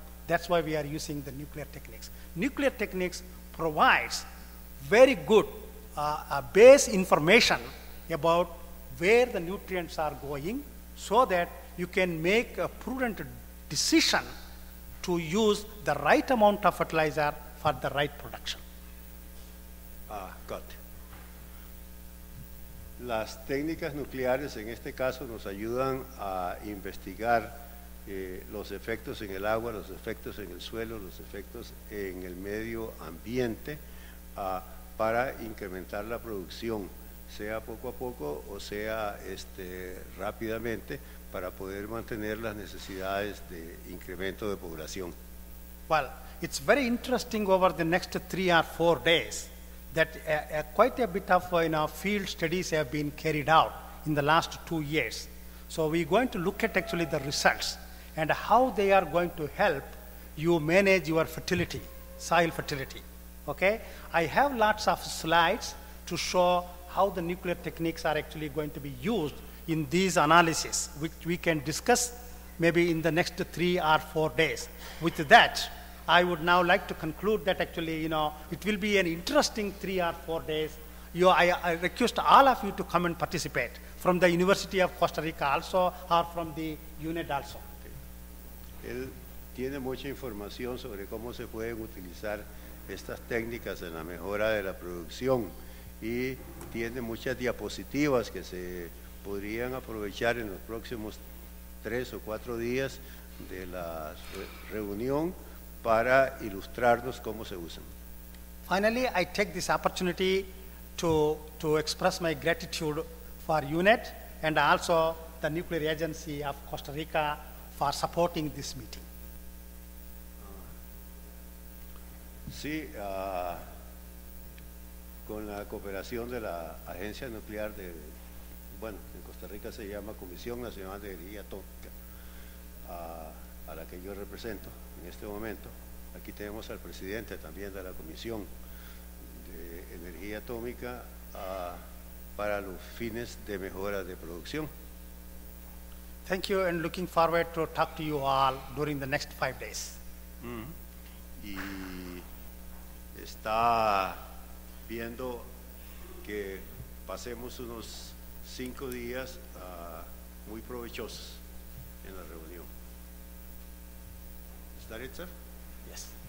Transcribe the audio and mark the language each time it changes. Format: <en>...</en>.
<en>That's why we are using the nuclear techniques. Nuclear techniques provides very good base information about where the nutrients are going, so that you can make a prudent decision to use the right amount of fertilizer for the right production. Got it.</en> <es>Las técnicas nucleares en este caso nos ayudan a investigar los efectos en el agua, los efectos en el suelo, los efectos en el medio ambiente para incrementar la producción, sea poco a poco o sea rápidamente, para poder mantener las necesidades de incremento de población.</es> <en>Well, it's very interesting over the next 3 or 4 days that quite a bit of field studies have been carried out in the last 2 years. So we're going to look at actually the results and how they are going to help you manage your fertility, soil fertility. Okay? I have lots of slides to show how the nuclear techniques are actually going to be used in these analyses, which we can discuss maybe in the next 3 or 4 days. With that, I would now like to conclude that actually, it will be an interesting 3 or 4 days. I request all of you to come and participate from the University of Costa Rica also, or from the UNED also.</en> <es>Él tiene mucha información sobre cómo se pueden utilizar estas técnicas en la mejora de la producción y tiene muchas diapositivas que se podrían aprovechar en los próximos 3 o 4 días de la reunión para ilustrarnos cómo se usan.</es> <en>Finally, I take this opportunity to express my gratitude for UNED and also the Nuclear Agency of Costa Rica for supporting this meeting.</en> <es>Sí, con la cooperación de la Agencia Nuclear de, bueno, en Costa Rica se llama Comisión Nacional de Energía Atómica, a la que yo represento en este momento. Aquí tenemos al presidente también de la Comisión de Energía Atómica para los fines de mejora de producción.</es> <en>Thank you, and looking forward to talk to you all during the next 5 days. Mm-hmm.</en> <es>Y está viendo que pasemos unos 5 días muy provechosos en la reunión.</es> <en>Is that it, sir? Yes.</en>